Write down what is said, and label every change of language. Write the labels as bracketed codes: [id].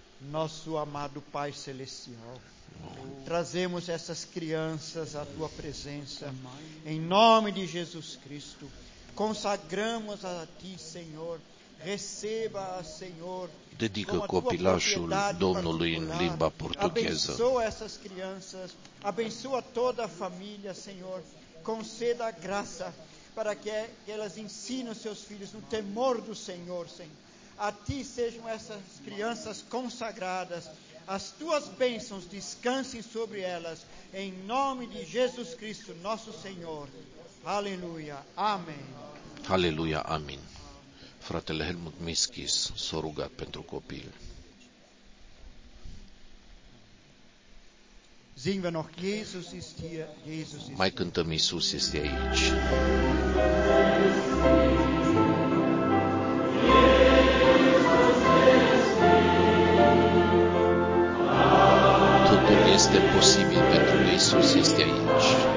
[pt] Nosso amado Pai Celestial, trazemos essas crianças à Tua presença, em nome de Jesus Cristo, consagramos a Ti, Senhor, receba, Senhor, [ro] dedica copilașul Domnului în limba portugheză. [pt] Abençoa essas crianças, abençoa toda a família, Senhor, conceda a graça para que elas ensinem os seus filhos no temor do Senhor, Senhor. A Ti sejam essas crianças consagradas. As Tuas bênçãos descansem sobre elas. Em nome de Jesus Cristo, nosso Senhor. Aleluia. Amém. Aleluia. Amém. [ro] Fratele Helmut Mischis s-a rugat pentru copil. [de] Singem wir noch, Jesus ist hier, Jesus ist hier. [ro] Mai cântăm, Iisus este aici. Este posibil pentru că Iisus este aici.